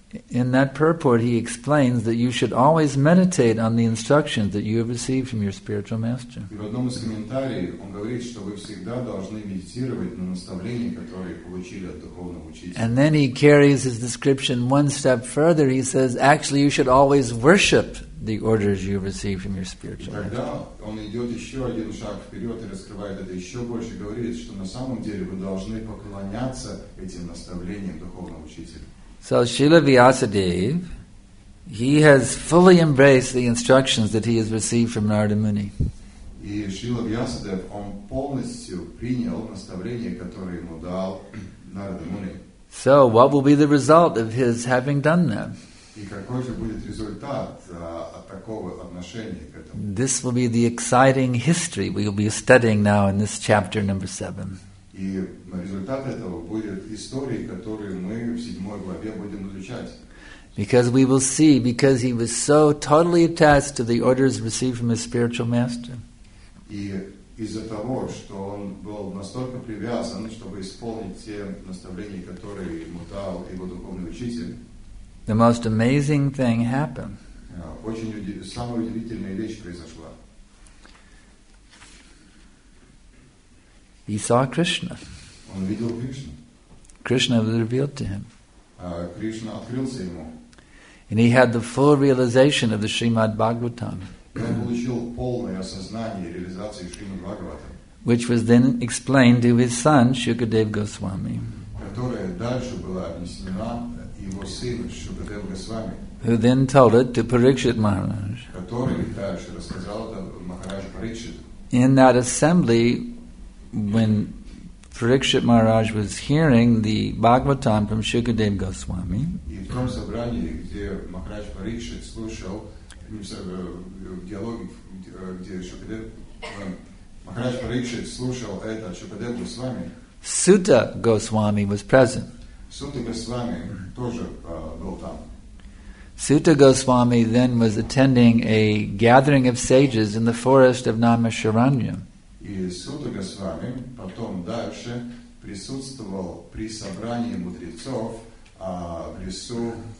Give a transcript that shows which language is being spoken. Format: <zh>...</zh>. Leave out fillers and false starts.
<en>In that purport, he explains that you should always meditate on the instructions that you have received from your spiritual master.</en> <ru>И в одном из комментариев он говорит, что вы всегда должны медитировать на наставления, которые получили от духовного учителя.</ru> <en>And then he carries his description one step further. He says, actually, you should always worship the orders you receive from your spiritual master.</en> <ru>И тогда он идет еще один шаг вперед и раскрывает это еще больше, говорит, что на самом деле вы должны поклоняться этим наставлениям духовного учителя.</ru> <en>So Srila Vyasadeva, he has fully embraced the instructions that he has received from Narada Muni.</en> <ru>И Srila Vyasadeva, он полностью принял наставление, которое ему дал Narada Muni.</ru> <en>So what will be the result of his having done that?</en> <ru>И какой же будет результат от такого отношения к этому?</ru> <en>This will be the exciting history we will be studying now in this chapter number 7.</en> <ru>И результат этого будет истории, которую мы в 7 главе будем изучать.</ru> <en>Because we will see, because he was so totally attached to the orders received from his spiritual master.</en> <ru>И из-за того, что он был настолько привязан, чтобы исполнить те наставления, которые ему дал его духовный учитель,</ru> <en>the most amazing thing happened.</en> <ru>Самая удивительная вещь произошла.</ru> <en>He saw Krishna.</en> <ru>Он видел Кришну.</ru> <en>Krishna was revealed to him.</en> <ru>Krishna открылся ему.</ru> <en>And he had the full realization of the Srimad Bhagavatam.</en> <ru>Он получил полное осознание реализации Шримад Бхагаватам.</ru> <en>Which was then explained to his son Shukadev Goswami.</en> <ru>Которая дальше была объяснена его сыну Шукадев Госвами.</ru> <en>Who then told it to Parikshit Maharaj.</en> <ru>Который дальше рассказал это Махарадж Парикшит.</ru> <en>In that assembly, when Parikshit Maharaj was hearing the Bhagavatam from Shukadev Goswami,</en> <ru>и в том собрании, где Махарадж Парикшит слушал диалоги, где Шукадев Махарадж Парикшит слушал это Шукадев Госвами,</ru> <en>Сута Госвами was present.</en> <ru>Сута Госвами тоже был там.</ru> <en>Sutta Goswami then was attending a gathering of sages in the forest of Namasharanya.</en> <ru>И Сута Госвами потом дальше присутствовал при собрании мудрецов в лесу.</ru>